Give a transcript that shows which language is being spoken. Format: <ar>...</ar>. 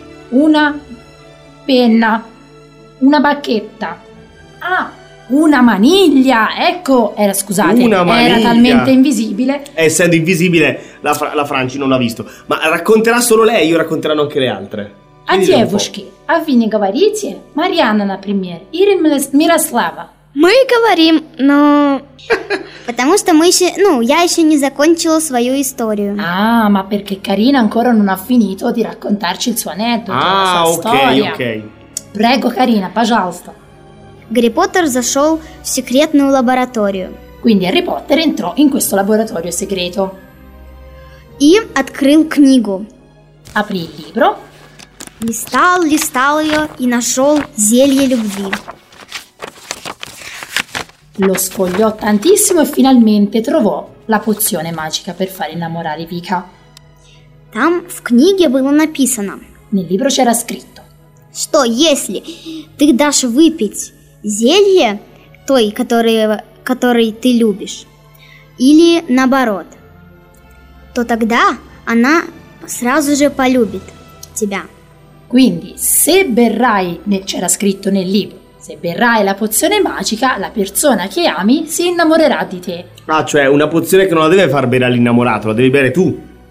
<it>Una penna. Una bacchetta. Ah, una maniglia. Ecco, era scusate, una era talmente invisibile. Essendo invisibile, la Franci non l'ha visto. Ma racconterà solo lei, io racconteranno anche le altre.</it> <ru>А девушки, а вы не говорите? Марьяна, например, или Мирослава? Мы говорим, но... Потому что мы еще... Ну, я еще не закончила свою историю.</ru> <it>А, ma perché Karina ancora non ha finito di raccontarci il suo aneddoto, la sua storia.</it> <ru>А, окей.</ru> <it>Prego, Karina,</it> <ru>пожалуйста. Гарри Поттер зашел в секретную лабораторию.</ru> <it>Quindi Harry Potter entrò in questo laboratorio segreto.</it> <ru>И открыл книгу.</ru> <it>Aprì il libro.</it> <ru>Листал, листал ее и нашел зелье любви.</ru> <it>Lo sfogliò tantissimo e finalmente trovò la pozione magica per far innamorare Vika.</it> <ru>Там в книге было написано.</ru> <it>Nel libro c'era scritto.</it> <ru>Что если ты дашь выпить зелье той, которой ты любишь, или наоборот, то тогда она сразу же полюбит тебя.</ru> <it>Quindi, se berrai, c'era scritto nel libro, se berrai la pozione magica, la persona che ami si innamorerà di te. Ah, cioè una pozione che non la deve far bere all'innamorato, la devi bere tu.</it>